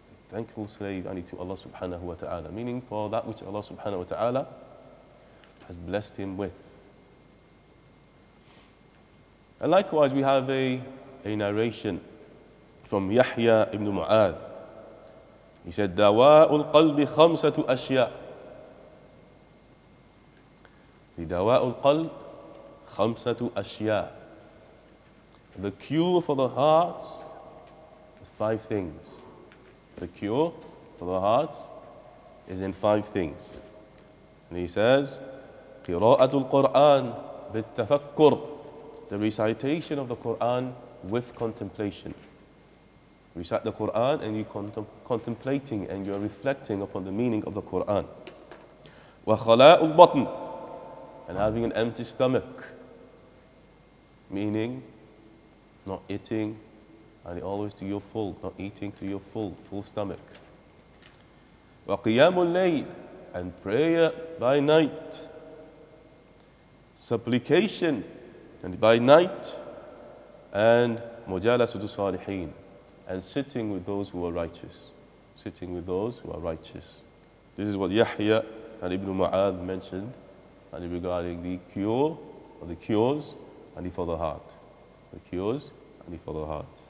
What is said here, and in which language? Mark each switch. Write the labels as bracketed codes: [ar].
[en] Thankful slave, I need to Allah subhanahu wa ta'ala. Meaning for that which Allah subhanahu wa ta'ala has blessed him with. And likewise, we have a narration from Yahya ibn Mu'adh. He said, [ar] دَوَاءُ الْقَلْبِ خَمْسَةُ أَشْيَاءُ. لِدَوَاءُ الْقَلْبِ خَمْسَةُ أَشْيَاءُ. [en] The cure for the heart is five things. The cure for the hearts is in five things. And he says, [ar] قِرَاءَةُ الْقُرْآنِ بِالتَّفَكُّرِ. [en] The recitation of the Qur'an with contemplation. Recite the Qur'an and you're contemplating and you're reflecting upon the meaning of the Qur'an. [ar] وَخَلَاءُ الْبَطْنِ. [en] And having an empty stomach. Meaning, not eating. And always to your full, not eating to your full stomach. [ar] وَقِيَامُ اللَّيْلِ. [en] And prayer by night. Supplication and by night. [ar] And مُجَالَسَةُ الصَّالِحِينَ. [en] And sitting with those who are righteous. Sitting with those who are righteous. This is what Yahya and Ibn Mu'adh mentioned and regarding the cure or the cures and for the heart. The cures and for the heart.